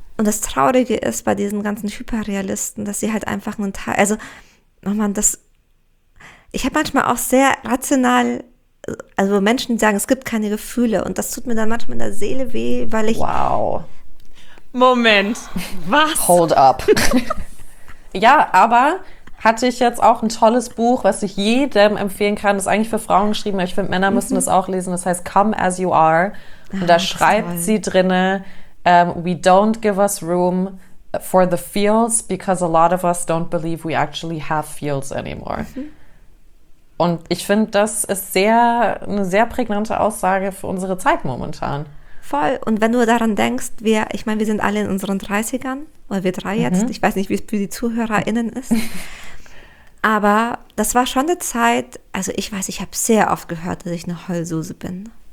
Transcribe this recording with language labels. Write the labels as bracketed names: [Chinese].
[German] Und das Traurige ist bei diesen ganzen Hyperrealisten, dass sie halt einfach einen Teil, also nochmal, das, ich habe manchmal auch sehr rational, also Menschen, die sagen, es gibt keine Gefühle, und das tut mir dann manchmal in der Seele weh, weil ich... Wow. Moment. Was? [English] Hold up. [German] Ja, aber hatte ich jetzt auch ein tolles Buch, was ich jedem empfehlen kann. Das ist eigentlich für Frauen geschrieben, aber ich finde, Männer müssen das auch lesen. Das heißt Come As You Are. Und da schreibt sie drinne, [English] we don't give us room for the feels because a lot of us don't believe we actually have feels anymore. Mhm. [German] Und ich finde, das ist sehr eine sehr prägnante Aussage für unsere Zeit momentan. Voll. Und wenn du daran denkst, wir sind alle in unseren 30ern, oder wir drei jetzt, ich weiß nicht, wie es für die ZuhörerInnen ist, aber das war schon eine Zeit, also ich weiß, ich habe sehr oft gehört, dass ich eine Heulsuse bin.